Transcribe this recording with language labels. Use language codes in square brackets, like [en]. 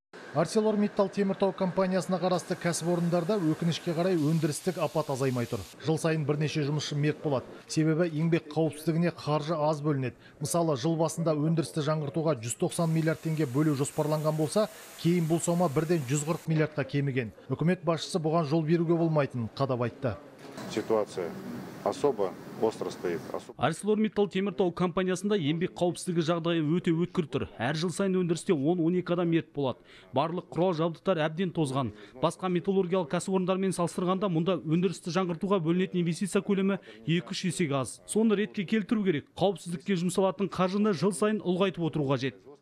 [kk] ArcelorMittal Теміртау компаниясына қарасты кәсіпорындарда өкінішке қарай өндірістік апат азаймай тұр. Жыл сайын бірнеше жұмысшы мерт болады. Себебі еңбек қауіпсіздігіне қаржы аз бөлінеді. Мысалы, жыл басында өндірісті жаңғыртуға 190 миллиард теңге бөлу жоспарланған болса, кейін бұл сома бірден 140 миллиардқа кеміген. Үкімет басшысы бұған жол беруге болмайтынын қадап айтты. [ru] Ситуация особо остро стоит. [kk] ArcelorMittal Теміртау компаниясында еңбек қауіпсіздігі жағдайы өте өткір тұр. Әр жыл сайын өндірісте 10-12 адам мерт болады. Барлық құрал жабдықтар әбден тозған. Басқа металлургиялық кәсіпорындармен салыстырғанда мұнда өндірісті жаңғыртуға бөлінетін инвестиция көлемі 2-3 есеге аз. Соны ретке келтіру керек. Қауіпсіздікке жұмсалатын қаржыны жыл сайын ұлғайтып отыру қажет.